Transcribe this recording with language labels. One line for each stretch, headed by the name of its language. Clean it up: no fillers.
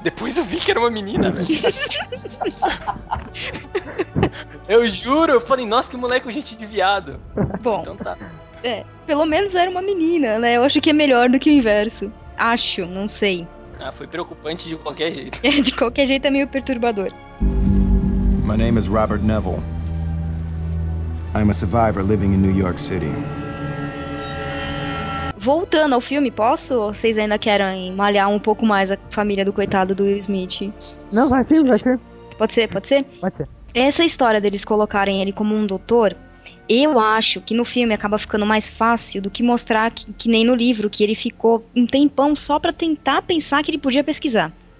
Portuguese: Depois eu vi que era uma menina, velho. Eu juro, eu falei, nossa, que moleque, gente de viado. Bom, então tá. É, pelo menos era uma menina, né, eu acho que é melhor do que o inverso. Acho, não sei. Ah, foi preocupante de qualquer jeito. De qualquer jeito é meio perturbador.
English: My name is Robert Neville. I'm a survivor living in New York City.
Portuguese: Voltando ao filme, posso? Ou vocês ainda querem malhar um pouco mais a família do coitado do Will Smith? Não, vai sim, vai sim. Pode ser? Essa história deles colocarem ele como um doutor, eu acho que no filme acaba ficando mais fácil do que mostrar que nem no livro, que ele ficou um tempão só pra tentar pensar que ele podia pesquisar.